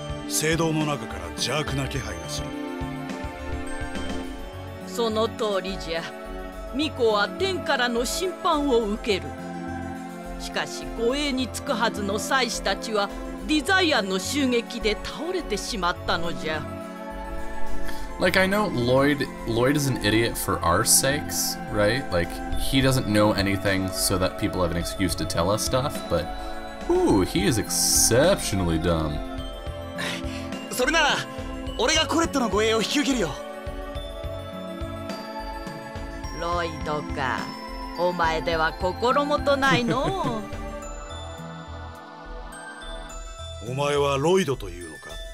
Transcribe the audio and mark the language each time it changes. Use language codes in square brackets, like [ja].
[ja] 聖堂の中から邪悪な気配がする。その通りじゃ。巫女は天からの審判を受ける。しかし護衛につくはずの祭司たちは、ディザイアの襲撃で倒れてしまったのじゃ。 [en] Like, I know Lloyd is an idiot for our sakes, right? Like, he doesn't know anything so that people have an excuse to tell us stuff, but... Ooh, he is exceptionally dumb. [ja] それなら、俺がコレットの護衛を引き受けるよ。ロイドか、お前では心もとないの。お前はロイドというのか。